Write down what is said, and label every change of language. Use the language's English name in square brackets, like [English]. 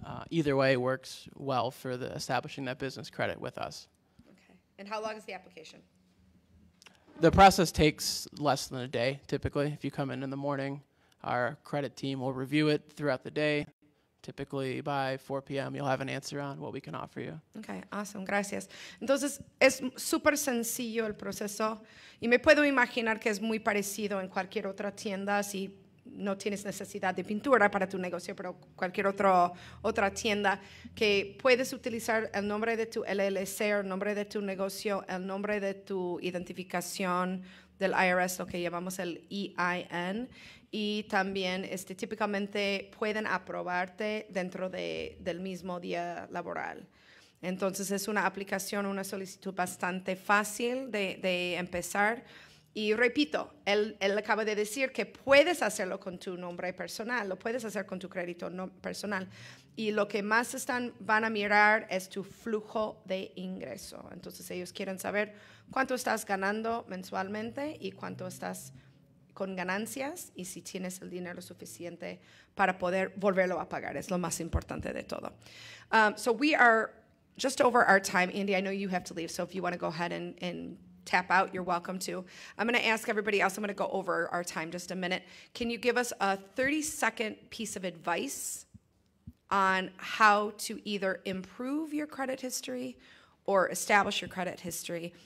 [English] Either way works well for the establishing that business credit with us. Okay. And how long is the application? The process takes less than a day, typically. If you come in the morning, our credit team will review it throughout the day. Typically by 4 p.m. you'll have an answer on what we can offer you. Okay, awesome, [Spanish] gracias. Entonces, es súper sencillo el proceso y me puedo imaginar que es muy parecido en cualquier otra tienda si no tienes necesidad de pintura para tu negocio, pero cualquier otra tienda que puedes utilizar el nombre de tu LLC, el nombre de tu negocio, el nombre de tu identificación del IRS, lo que llamamos el EIN, y también típicamente pueden aprobarte dentro del mismo día laboral. Entonces es una aplicación, una solicitud bastante fácil de empezar. Y repito, él acaba de decir que puedes hacerlo con tu nombre personal, lo puedes hacer con tu crédito personal. Y lo que más van a mirar es tu flujo de ingreso. Entonces ellos quieren saber cuánto estás ganando mensualmente y cuánto estás con ganancias y si tienes el dinero suficiente para poder volverlo a pagar. Es lo más importante de todo. [English] So we are just over our time. Andy, I know you have to leave, so if you want to go ahead and tap out, you're welcome to. I'm going to ask everybody else, I'm going to go over our time just a minute. Can you give us a 30-second piece of advice on how to either improve your credit history or establish your credit history?